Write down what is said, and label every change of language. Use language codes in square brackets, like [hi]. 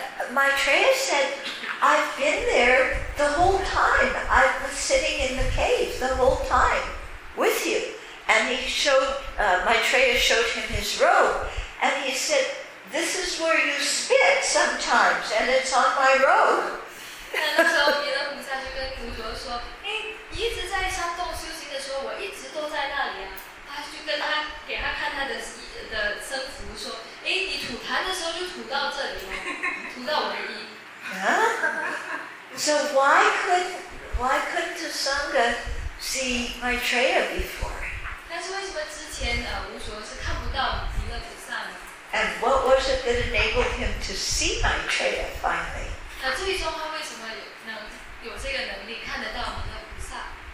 [en] Maitreya said, I've been there the whole time. I was sitting in the cave the whole time with you. And he showed, Maitreya showed him his robe. And he said, this is where you spit sometimes, and it's on my robe. [zh] 那时候弥勒菩萨就跟无着说，哎，你一直在山洞修行的时候，我一直都在那里啊。他就跟他给他看他的僧服说，哎，你吐痰的时候就吐到这里了。 [en] So why couldn't Asanga see Maitreya before? [zh] 但是为什么之前无着是看不到弥勒菩萨呢？ [en] And what was it that enabled him to see Maitreya finally? [zh] 那最终他为什么能有这个能力看得到弥勒菩萨？